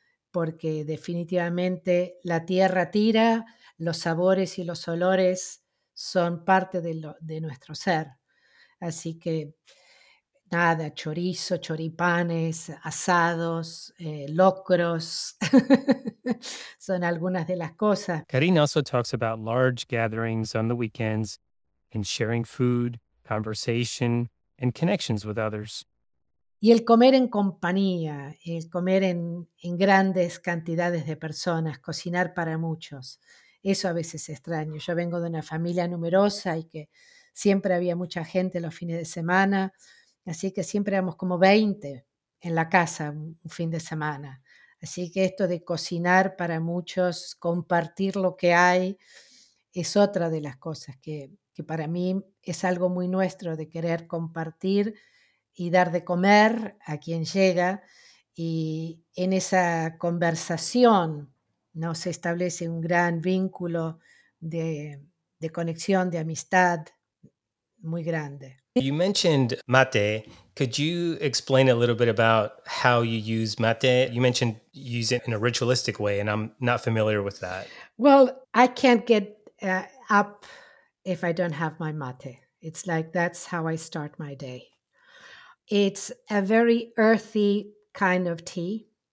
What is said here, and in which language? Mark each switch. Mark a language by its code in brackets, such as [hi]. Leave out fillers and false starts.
[es] Porque definitivamente la tierra tira, los sabores y los olores son parte de nuestro ser. Así que, nada, chorizo, choripanes, asados, locros, son algunas de las cosas. [en] Karin also talks about large gatherings on the weekends and sharing food, conversation, and connections with others. [es] Y el comer en compañía, el comer en grandes cantidades de personas, cocinar para muchos. Eso a veces es extraño. Yo vengo de una familia numerosa y que siempre había mucha gente los fines de semana. Así que siempre éramos como 20 en la casa un fin de semana. Así que esto de cocinar para muchos, compartir lo que hay, es otra de las cosas que para mí es algo muy nuestro, de querer compartir y dar de comer a quien llega, y en esa conversación, ¿no?, se establece un gran vínculo de conexión, de amistad, muy grande. [en] You mentioned mate. Could you explain a little bit about how you use mate? You mentioned you use it in a ritualistic way, and I'm not familiar with that. Well, I can't get up if I don't have my mate. It's like that's how I start my day. It's a very earthy kind of tea.